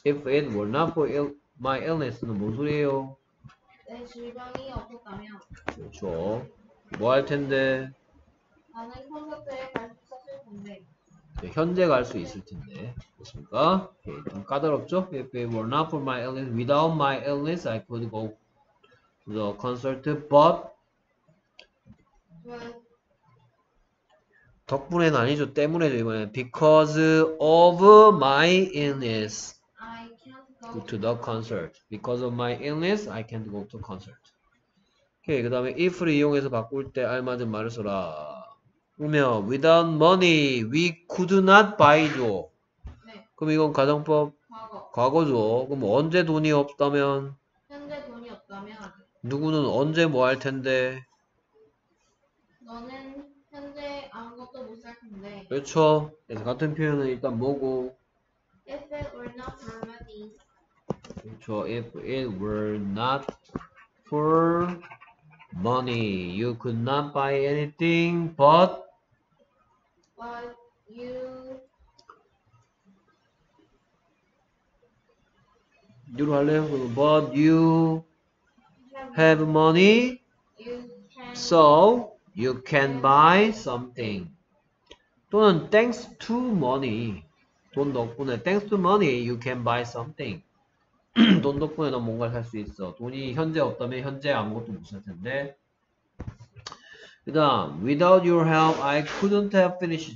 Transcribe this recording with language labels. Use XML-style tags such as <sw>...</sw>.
<en>if it were not for ill My illness는</en> <ko>뭔 소리예요? 내 질병이 없었다면 그렇죠. 뭐할 텐데? 나는 콘서트에 갈수 있었을 텐데. 현재 갈수 있을 텐데. 그렇습니까? 오케이. 좀 까다롭죠?</ko> <en>If it were not for my illness, without my illness, I could go to the concert, but</en> <ko>덕분에는 아니죠. 때문에죠. 이번엔</ko> <en>because of my illness. I can't Go go. to the concert. Because of my illness, I can't go to concert.</en> <ko>오케이, 그 다음에 if를 이용해서 바꿀 때 알맞은 말을 써라. 그러면</ko> <en>without money, we could not buy죠.</en> <ko>그럼 이건 가정법 과거. 과거죠. 그럼 언제 돈이 없다면 현재 돈이 없다면 누구는 언제 뭐할 텐데? 너는 현재 아무것도 못살 텐데. 건데. 그렇죠. 그래서 같은 표현은 일단 뭐고?</ko> <en>If it were not for money. 그렇죠. If it were not for money, you could not buy anything but But you.</en> <ko>뉴로 할래요? 그럼</ko> <en>but you have money, so you can buy something.</en> <ko>또는</ko> <en>thanks to money,</en> <ko>돈 덕분에</ko> <en>thanks to money you can buy something.</en> <ko>돈 덕분에 넌 뭔가를 살수 있어. 돈이 현재 없다면 현재 아무것도 못살 텐데. 그다음</ko> <en>without your help I couldn't have finished.</en>